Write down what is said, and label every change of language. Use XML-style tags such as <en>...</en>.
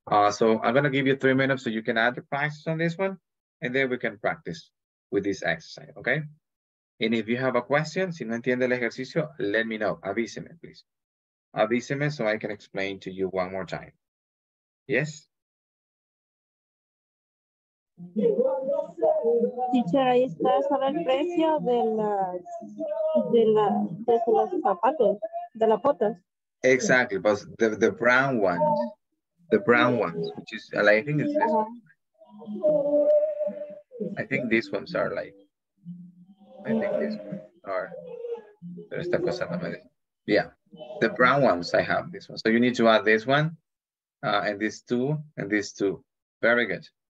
<en>So I'm gonna give you 3 minutes so you can add the prices on this one, and then we can practice with this exercise, okay? And if you have a question,</en> <es>si no entiende el ejercicio,</es> <en>let me know,</en> <es>avíseme,</es> <en>please.</en> <es>Avíseme</es> <en>so I can explain to you one more time. Yes?</en> <es>Teacher, ahí está solo el precio de los zapatos, de las botas.</es> <en>Exactly, but the brown ones, the brown ones, which is, I think it's this one. I think these ones are like, I think these ones are,</en> <es>pero esta cosa no me dice.</es> <en>Yeah, the brown ones, I have this one. So you need to add this one, and these two. Very good.</en>